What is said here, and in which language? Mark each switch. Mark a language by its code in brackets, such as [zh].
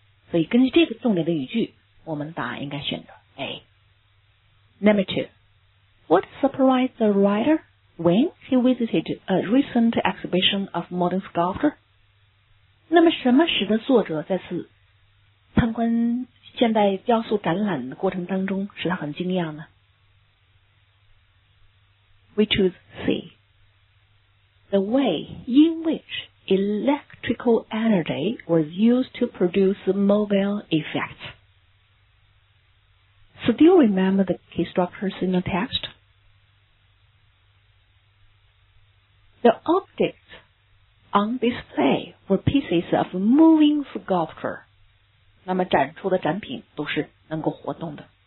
[zh] 所以根据这个重点的语句，我们答案应该选择 A. [en] Number two. What surprised the writer when he visited a recent exhibition of modern sculpture? [zh] 那么什么使得作者在此参观现代雕塑展览的过程当中使他很惊讶呢 [en] We choose C. The way in which electrical energy was used to produce mobile effects. Still remember the key structures in the text? The objects on display were pieces of moving sculpture. [zh] 那么展出的展品都是能够活动的。